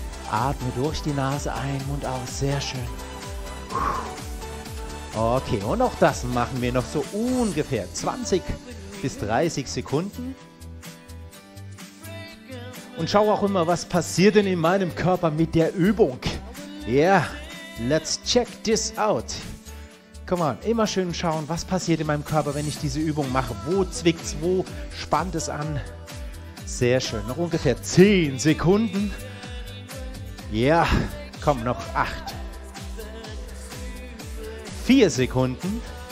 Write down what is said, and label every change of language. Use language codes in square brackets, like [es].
[de] Atme durch die Nase ein, Mund aus, sehr schön. Okay, und auch das machen wir noch so ungefähr 20 bis 30 Sekunden. Und schau auch immer, was passiert denn in meinem Körper mit der Übung. [en] Yeah, let's check this out. Come on, [de] immer schön schauen, was passiert in meinem Körper, wenn ich diese Übung mache. Wo zwickt es, wo spannt es an? Sehr schön, noch ungefähr 10 Sekunden. Ja, komm, noch 8. 4 Sekunden.